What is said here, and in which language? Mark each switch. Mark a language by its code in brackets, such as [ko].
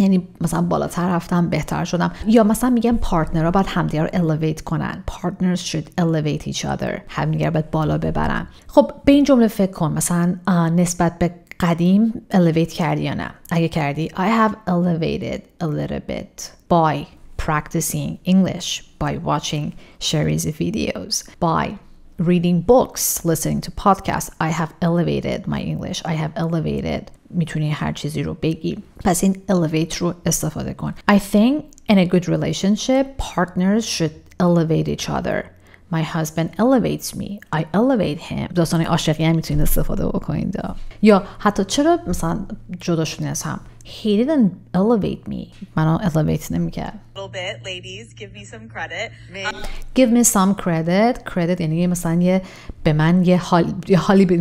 [fa] یعنی مثلا بالاتر رفتم، بهتر شدم. یا مثلا میگم partnerها باید همدیگر رو elevate کنن. [en] Partners should elevate each other. [fa] همدیگر باید بالا ببرن. خب به این جمله فکر کن. مثلا نسبت به قدیم elevate کردی یا نه؟ اگه کردی [en] I have elevated a little bit by practicing English, by watching Sherry's videos, by reading books, listening to podcasts, I have elevated my English. I have elevated. [fa] میتونی هر چیزی رو بگی. پس این elevate رو استفاده کن. [en] I think in a good relationship, partners should elevate each other. My husband elevates me. I elevate him. [fa] دوستان عاشقی هم میتونید استفاده بکنید. یا حتی چرا مثلا جدا شدین از هم؟ [en] He didn't elevate me. [fa] منو elevate نمیکرد. [en] A little bit, ladies, give me some credit. Give me some credit. [fa] Credit یعنی مثلا یه به من یه حالی بدید.